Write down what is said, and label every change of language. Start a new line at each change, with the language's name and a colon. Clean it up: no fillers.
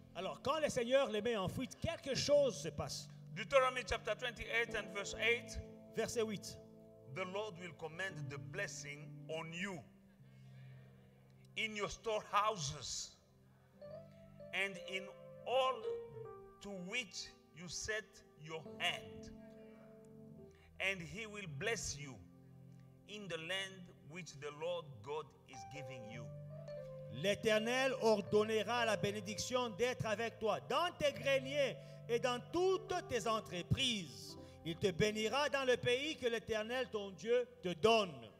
French: Alors, quand le Seigneur les met en fuite, quelque chose se passe.
English: Deuteronomy chapter 28 and verse 8.
French: Verset 8.
English: The Lord will command the blessing on you, in your storehouses, and in all to which you set your hand. And he will bless you in the land which the Lord God is giving you.
French: L'Éternel ordonnera la bénédiction d'être avec toi dans tes greniers et dans toutes tes entreprises. Il te bénira dans le pays que l'Éternel, ton Dieu, te donne.